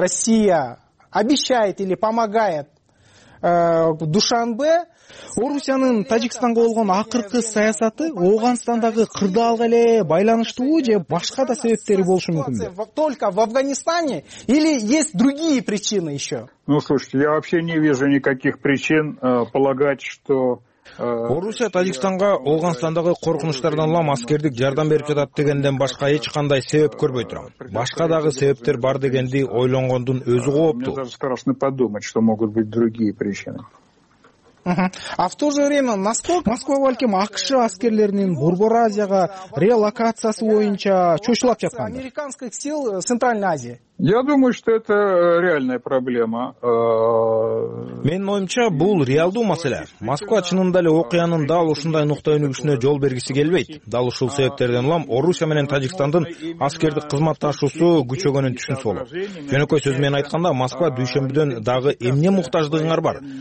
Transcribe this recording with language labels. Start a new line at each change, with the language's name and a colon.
Russian: Россия обещает или помогает Душанбе?
Kyrgyz: Орусиянын Тажикстанга болгон акыркы саясаты Ооганстандагы кырдаалга эле байланыштуубу же башка да себептери болушу мүмкүнбү?
Russian: Только в Афганистане или есть другие причины еще? Ну слушайте, я вообще не вижу никаких причин полагать, что
Kyrgyz: Орусия Тажикстанга Ауганстандагы коркунучтардан улам аскердик жардам берип жатат дегенден башка эч кандай себеп көрбөй турам. Башка дагы себептер бар дегенди ойлонгондун өзү коопту.
Russian: Мне даже страшно подумать, что могут быть другие причины. А в то же время, насколько
Kyrgyz: Москва валким АКШ аскерлернин Борбор Азияга релокациясы боюнча чочулап жаткан?
Russian: Американских сил Центральной Азии. Я думаю, что это реальная проблема.
Kyrgyz: Менин оюмча бул реалдуу маселе. Москва чынында эле окуянын дал ушундай нукта өнүгүшүнө жол бергиси келбейт. Дал ушул себептерден улам Орусия менен Тажикстандын аскердик кызматташуусу күчөгөнүн түшүнсө болот. Жөнөкөй сөз менен айтканда, Москва дүйшөмбүдөн дагы эмне муктаждыгыңар бар?